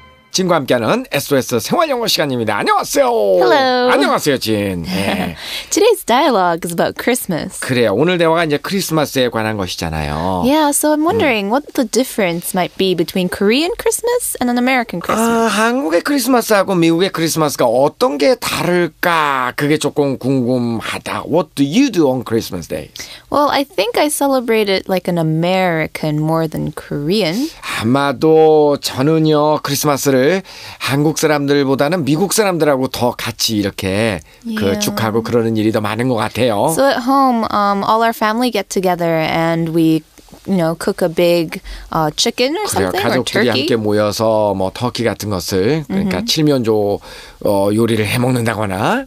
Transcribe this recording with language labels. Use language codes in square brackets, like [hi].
[ko] 진과 함께하는 SOS 생활영어 시간입니다. 안녕하세요. [en] Hello. [ko] 안녕하세요, 진. [en] 네. Today's dialogue is about Christmas. [ko] 그래요. 오늘 대화가 이제 크리스마스에 관한 것이잖아요. [en] Yeah, so I'm wondering what the difference might be between Korean Christmas and an American Christmas. [ko] 아, 한국의 크리스마스하고 미국의 크리스마스가 어떤 게 다를까? 그게 조금 궁금하다. [en] What do you do on Christmas Day? Well, I think I celebrate it like an American more than Korean. [ko] 아마도 저는요, 크리스마스를 한국 사람들보다는 미국 사람들하고 더 같이 이렇게 그 축하하고 그러는 일이 더 많은 것 같아요. [en] So at home, all our family get together and we, you know, cook a big chicken or [ko] 그래요, [en] something, or turkey. [ko] 가족들이 함께 모여서 뭐 터키 같은 것을, 그러니까 칠면조 요리를 해먹는다거나.